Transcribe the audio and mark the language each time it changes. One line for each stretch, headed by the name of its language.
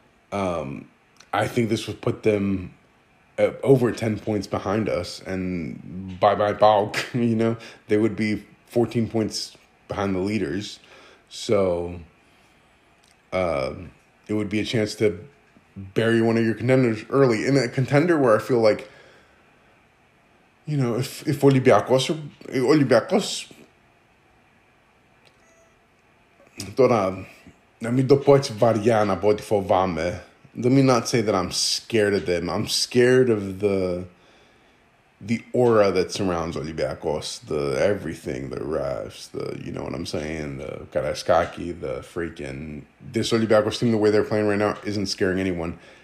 English: I think this would put them over 10 points behind us. And bye-bye, Pauk. You know, they would be 14 points behind the leaders. So it would be a chance to bury one of your contenders early. In a contender where I feel like, you know, if Olympiakos,
Greek: τώρα, να μην το πω έτσι βαριά να πω ότι φοβάμαι.
English: Let me not say that I'm scared of them. I'm scared of the aura that surrounds Olympiakos, the everything, the refs, the, you know what I'm saying, the Karaskaki, the freaking, this Olympiakos team, the way they're playing right now, isn't scaring anyone.